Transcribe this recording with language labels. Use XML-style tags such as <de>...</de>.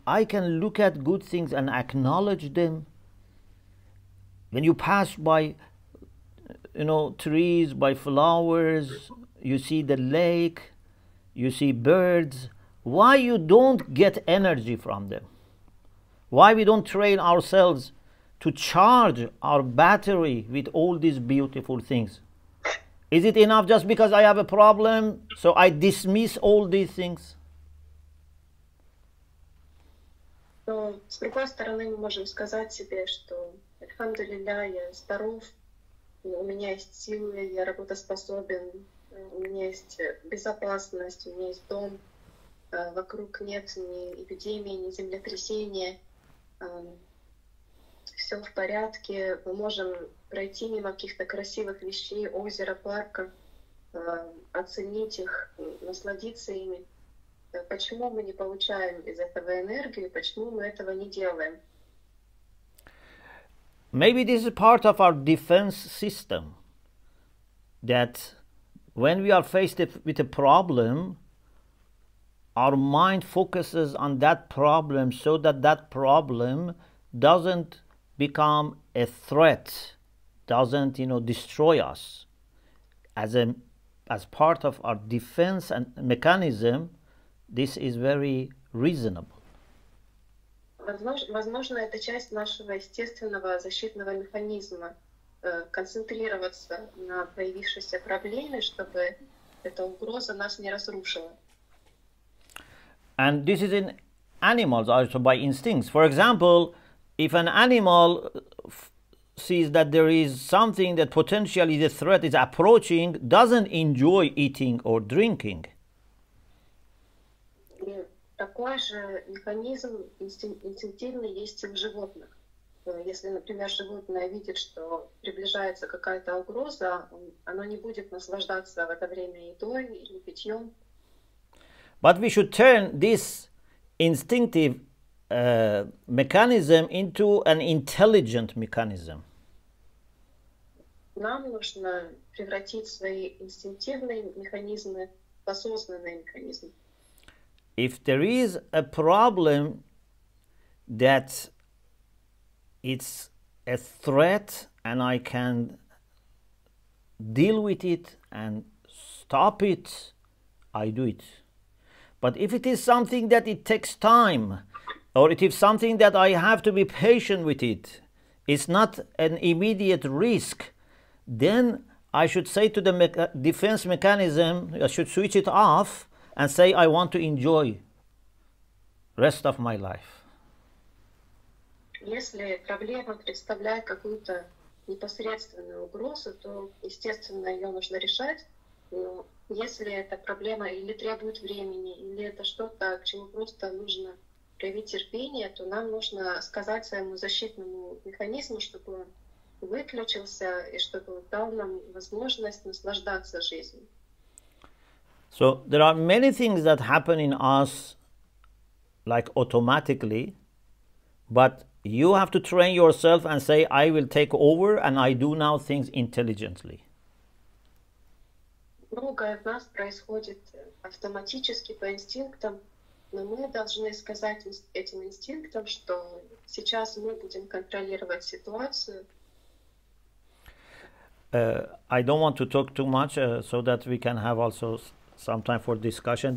<en>I can look at good things and acknowledge them. When you pass by, you know, trees, by flowers, you see the lake, you see birds, why you don't get energy from them? Why we don't train ourselves to charge our battery with all these beautiful things? Is it enough just because I have a problem, so I dismiss all these things?</en> <ru>Ну, с другой стороны, мы можем сказать себе, что Альхамдулилля, я здоров, у меня есть силы, я работоспособен, у меня есть безопасность, у меня есть дом, вокруг нет ни эпидемии, ни землетрясения. Все в порядке, мы можем пройти мимо каких-то красивых вещей, озера, парка, оценить их, насладиться ими. Почему мы не получаем из этого энергию, почему мы этого не делаем?</ru> <en>Maybe this is part of our defense system, that when we are faced with a problem, our mind focuses on that problem so that that problem doesn't become a threat, doesn't, you know, destroy us. As a, as part of our defense and mechanism, this is very reasonable.</en> <ru>Возможно, это часть нашего естественного защитного механизма, концентрироваться на появившейся проблеме, чтобы эта угроза нас не разрушила.</ru> <en>And this is in animals, also by instincts. For example, if an animal sees that there is something that potentially the threat is approaching, doesn't enjoy eating or drinking.</en> <ru>Такой же механизм инстинктивный есть и в животных. Если, например, животное видит, что приближается какая-то угроза, оно не будет наслаждаться в это время едой или питьем.</ru> <en>But we should turn this instinctive mechanism into an intelligent mechanism.</en> <ru>Нам нужно превратить свои инстинктивные механизмы в осознанные механизмы.</ru> <en>If there is a problem that it's a threat and I can deal with it and stop it, I do it. But if it is something that it takes time, or it is something that I have to be patient with it, it's not an immediate risk, then I should say to the defense mechanism, I should switch it off and say, I want to enjoy the rest of my life.</en> <ru>Если проблема представляет какую-то непосредственную угрозу, то, естественно, ее нужно решать. Но если эта проблема или требует времени, или это что-то, к чему просто нужно проявить терпение, то нам нужно сказать своему защитному механизму, чтобы он выключился и чтобы он дал нам возможность наслаждаться жизнью.</ru> <en>So there are many things that happen in us like automatically, but you have to train yourself and say, I will take over and I do now things intelligently.</en> <ru>Многое в нас происходит автоматически по инстинктам, но мы должны сказать этим инстинктам, что сейчас мы будем контролировать ситуацию.</ru> <en>I don't want to talk too much so that we can have also some time for discussion.</en>